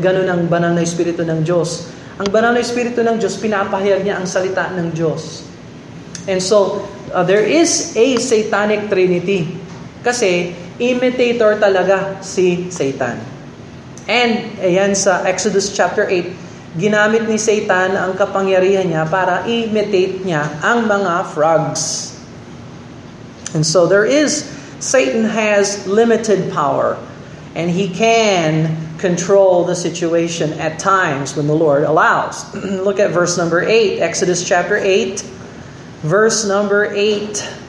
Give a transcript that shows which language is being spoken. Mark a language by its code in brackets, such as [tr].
[tl] Ganun ang banal na Espiritu ng Diyos. Ang banal na Espiritu ng Diyos, pinapahayag niya ang salita ng Diyos. [en] And so, there is a satanic trinity. [tl] Kasi, imitator talaga si Satan. And, ayan sa Exodus chapter 8, ginamit ni Satan ang kapangyarihan niya para imitate niya ang mga frogs. [en] And so there is, Satan has limited power and he can control the situation at times when the Lord allows. Look at verse number 8, Exodus chapter 8, verse number 8.